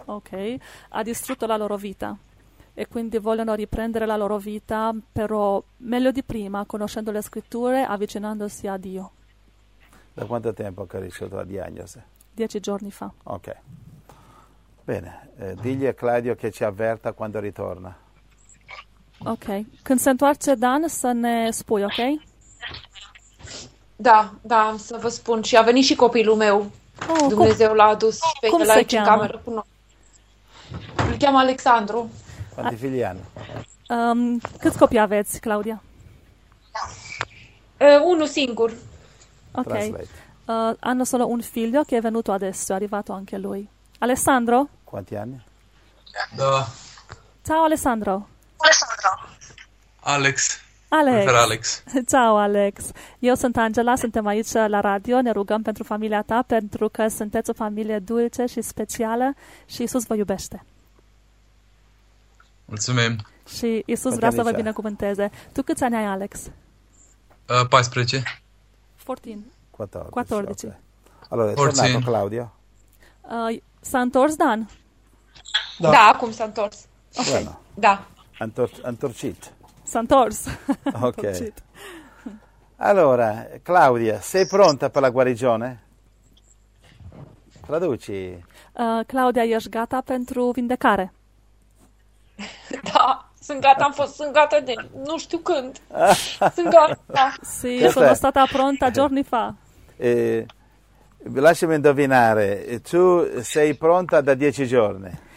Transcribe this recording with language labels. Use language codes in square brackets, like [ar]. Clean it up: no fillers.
[it] Ok, ha distrutto la loro vita e quindi vogliono riprendere la loro vita, però meglio di prima, conoscendo le scritture, avvicinandosi a Dio. Da quanto tempo che ha ricevuto la diagnosi? 10 giorni fa. Ok. Bene, digli a Claudio che ci avverta quando ritorna. [ro] Ok, când se întoarce Dan să ne spui, ok? Da, da, să vă spun. Și a venit și copilul meu. Oh, Dumnezeu l-a adus pe cum el aici în cameră cu noi. Îl cheamă Alexandru. [it] Quanti figli hanno? [ro] Câți copii aveți, Claudia? Unul singur. Ok. [it] Hanno solo un figlio che è venuto adesso, è arrivato anche lui. Alessandro? Quanti anni? [ro] Da. [it] Ciao Alessandro. Alex. Ciao Alex. Io sono Angela, siamo qui alla radio, [ro] ne rugăm pentru familia ta, pentru că sunteți o familie dulce și specială și Iisus vă iubește. Mulțumim. Și Iisus vrea să vă binecuvânteze. Tu câți ani ai, Alex? 14. 14. [it] 14. Allora, tornato Claudio. [ro] S-a întors Dan? Da, acum s-a întors. Okay. Bueno. Da. Întorcit. S-a întors. Ok. [it] Allora, Claudia, sei pronta per la guarigione? Traduci. [ro] Claudia, ești gata pentru vindecare? Da, sunt gata, am fost, sunt gata de nu știu când. Sunt gata. [it] Sì, sono stata pronta giorni fa. Lasciami indovinare, tu sei pronta da 10 giorni.